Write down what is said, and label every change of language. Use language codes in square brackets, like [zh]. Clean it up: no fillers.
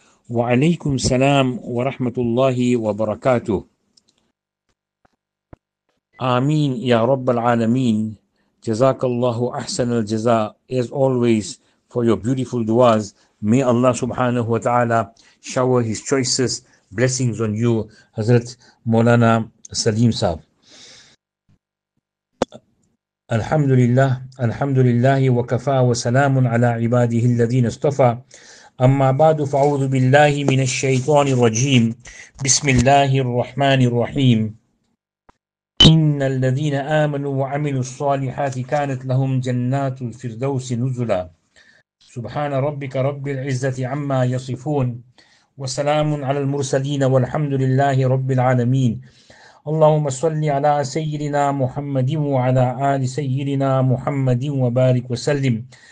[ar] وعليكم السلام ورحمة الله وبركاته. آمين يا رب العالمين. جزاك الله أحسن الجزاء [en] as always for your beautiful du'as. May Allah subhanahu wa ta'ala shower his choices blessings on you, Hazrat Maulana Salim Saab. [ar] الحمد لله الحمد لله وكفى وسلام على عباده الذين اصطفى أما بعد فأعوذ بالله من الشيطان الرجيم بسم الله الرحمن الرحيم إن الذين آمنوا وعملوا الصالحات كانت لهم جنات الفردوس نزلا سبحان ربك رب العزة عما يصفون وسلام على المرسلين والحمد لله رب العالمين اللهم صل على سيدنا محمد وعلى آل سيدنا محمد وبارك وسلم